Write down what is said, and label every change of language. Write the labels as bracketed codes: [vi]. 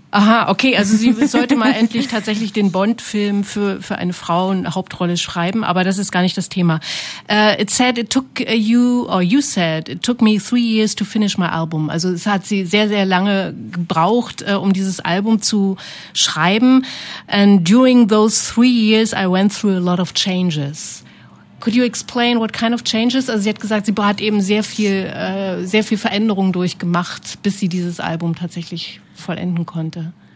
[de] Aha, okay, also sie sollte mal endlich tatsächlich den Bond-Film für eine Frau in Hauptrolle schreiben, aber das ist gar nicht das Thema. [en] It took me 3 years to finish my album. [de] Also es hat sie sehr, sehr lange gebraucht, um dieses Album zu schreiben. [en] And during those 3 years I went through a lot of changes. Could you explain what kind of changes? [de] Also sie hat gesagt, sie hat eben sehr viel Veränderungen durchgemacht, bis sie dieses Album tatsächlich vollenden konnte.